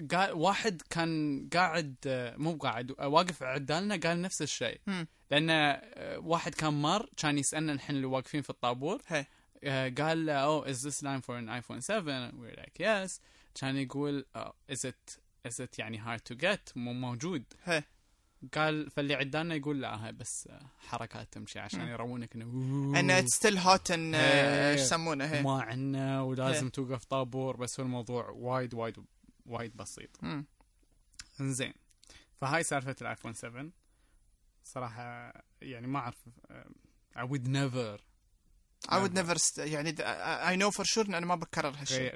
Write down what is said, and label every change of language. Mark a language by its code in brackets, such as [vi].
[ar] واحد كان قاعد مو قاعد واقف عدالنا قال نفس الشيء لأن واحد كان مر كان يسألنا نحن اللي واقفين في الطابور قال [en] oh is this line for an iPhone 7 we're like yes [ar] كان يقول [en] is it [ar] يعني [en] hard to get [ar] مو موجود قال فاللي عدالنا يقول لا هاي بس حركات تمشي عشان يرونك انه [en] it's still hot and [ar] يسمونه ما عنا ولازم توقف طابور بس هو الموضوع وايد وايد وايد بسيط. إنزين فهاي سالفة الآيفون 7 صراحة يعني ما أعرف [en] I would never [ar] يعني [en] I know for sure [ar] إن أنا ما بكرر هالشيء.